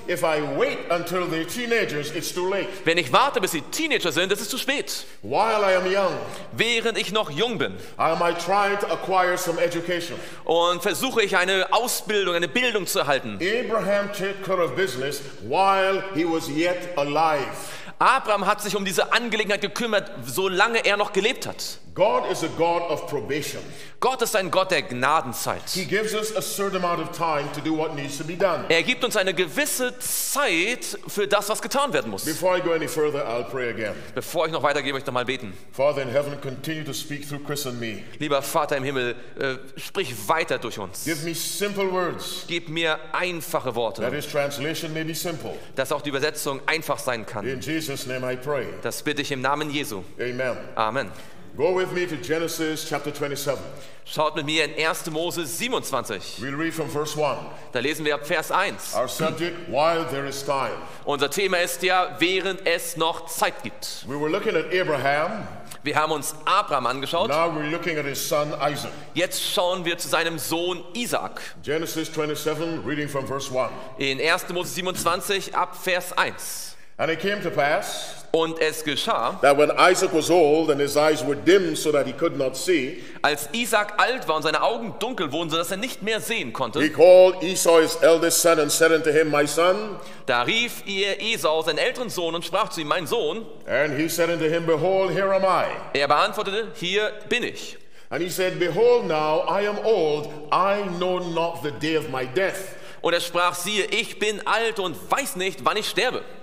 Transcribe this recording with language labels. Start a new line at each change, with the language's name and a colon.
English: If I wait until they're teenagers, it's too late.
German: Wenn ich warte, bis sie Teenager sind, ist es zu spät.
English: While I am young,
German: während ich noch jung bin,
English: I might try to acquire some education.
German: Und versuche ich eine Ausbildung, eine Bildung zu erhalten.
English: Abraham took care of business while he was yet alive.
German: Abraham hat sich um diese Angelegenheit gekümmert, solange er noch gelebt hat.
English: God is a God of probation.
German: Gott ist ein Gott der Gnadenzeit.
English: He gives us a certain amount of time to do what needs to be done.
German: Er gibt uns eine gewisse Zeit für das, was getan werden muss.
English: Before I go any further, I'll pray again.
German: Bevor ich noch weitergehe, möchte ich noch mal beten.
English: Father in heaven, continue to speak through Chris and me.
German: Lieber Vater im Himmel, sprich weiter durch uns.
English: Give me simple words.
German: Gib mir einfache Worte.
English: That his translation may be simple.
German: Dass auch die Übersetzung einfach sein kann.
English: In Jesus' name I pray.
German: Das bitte ich im Namen Jesu.
English: Amen.
German: Amen.
English: Go with me to Genesis chapter 27.
German: Schaut mit mir in 1. Mose 27.
English: We'll read from verse 1.
German: Da lesen wir ab Vers 1.
English: Our subject, while there is time.
German: Unser Thema ist ja, während es noch Zeit gibt.
English: We were looking at Abraham.
German: Wir haben uns Abraham angeschaut.
English: Now we're looking at his son Isaac.
German: Jetzt schauen wir zu seinem Sohn Isaac.
English: Genesis 27, reading from verse 1.
German: In 1. Mose 27, ab Vers 1.
English: And it came to pass,
German: und es geschah,
English: that when Isaac was old and his eyes were dim so that he could not see,
German: als Isaac alt war und seine Augen dunkel wurden, so dass er nicht mehr sehen konnte,
English: he called Esau his eldest son and said unto him, my son.
German: Da rief ihr Esau seinen älteren Sohn und sprach zu ihm, mein Sohn.
English: And he said unto him, behold, here am I.
German: Er beantwortete, hier bin ich.
English: And he said, behold, now I am old, I know not the day of my death.
German: Und er sprach, siehe, ich bin alt und weiß nicht, wann ich sterbe.